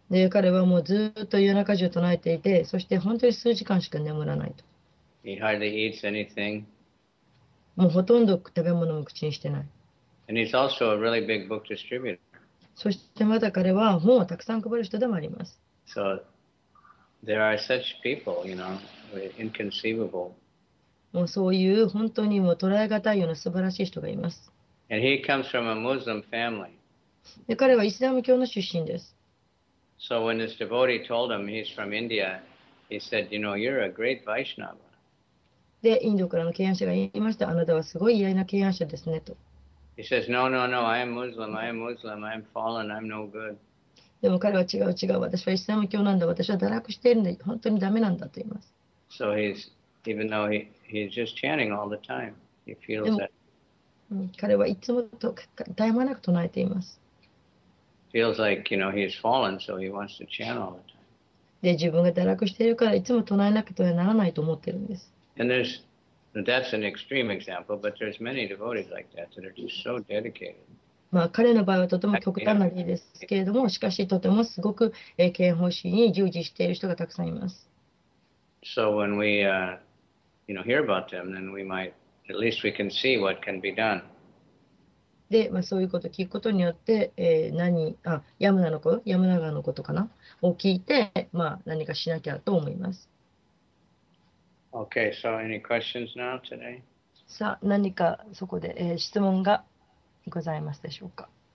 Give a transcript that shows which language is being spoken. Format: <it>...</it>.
<ja>彼はもうずっと夜中中唱えていて、そして本当に数時間しか眠らないと。</ja> <en>He hardly eats anything.</en> <ja>もうほとんど食べ物も口にしてない。</ja> <en>And he's also a really big book distributor.</en> <ja>そしてまた彼は本をたくさん配る人でもあります。</ja> <en>So, there are such people, you know, inconceivable.</en> <ja>もうそういう本当にもう捉えがたいような素晴らしい人がいます。</ja> <en>And he comes from a Muslim family.</en> <ja>で彼はイスラム教の出身です。</ja> <en>So when this devotee told him he's from India, he said, you know, you're a great Vaishnava.</en> <ja>で、インドからの敬愛者が言いました。あなたはすごい偉大な敬愛者ですねと。</ja> <en>He says, no, no, no, I am Muslim, I am Muslim, I am fallen, I'm no good.</en> <ja>でも彼は違う違う。私はイスラム教なんだ。私は堕落しているんで、本当にダメなんだと言います。</ja> <en>So he's... Even though he's just chanting all the time, he feels that.</en> <ja>彼はいつもと絶え間なく唱えています。</ja> <en>Feels like you know he's fallen, so he wants to chant all the time.</en> <ja>で自分が堕落しているからいつも唱えなくてはならないと思ってるんです。</ja> <en>And that's an extreme example, but there's many devotees like that that are just so dedicated.</en> <ja>まあ彼の場合はとても極端な例ですけれども、しかしとてもすごく敬愛方針に従事している人がたくさんいます。</ja> <en>So when we, you know, hear about them, then we might, at least we can see what can be done.</en> <ja>で、まあ、そういうことを聞くことによって、ヤムナガのことかなを聞いて、まあ、何かしなきゃと思います。</ja> <en>Okay, so any questions now today?</en> <ja>さあ、何かそこで、質問がございますでしょうか。</ja>